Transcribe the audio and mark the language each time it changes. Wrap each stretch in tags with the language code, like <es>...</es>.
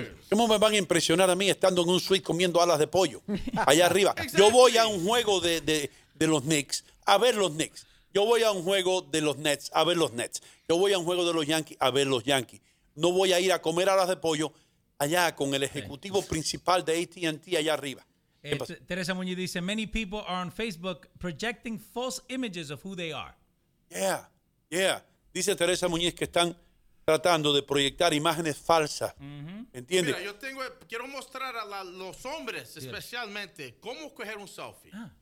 <es>¿Cómo me van a impresionar a mí estando en un suite comiendo alas de pollo allá arriba? Yo voy a un juego de los Knicks a ver los Knicks. Yo voy a un juego de los Nets a ver los Nets. Yo voy a un juego de los Yankees a ver los Yankees. No voy a ir a comer alas de pollo allá con el ejecutivo principal de AT&T allá arriba.</es> <en>Teresa Muñiz</en> <es>dice,</es> <en>many people are on Facebook projecting false images of who they are. Yeah.</en> <es>Dice Teresa Muñiz que están tratando de proyectar imágenes falsas. ¿Entiendes? Mira, quiero mostrar a los hombres especialmente cómo coger un selfie.</es>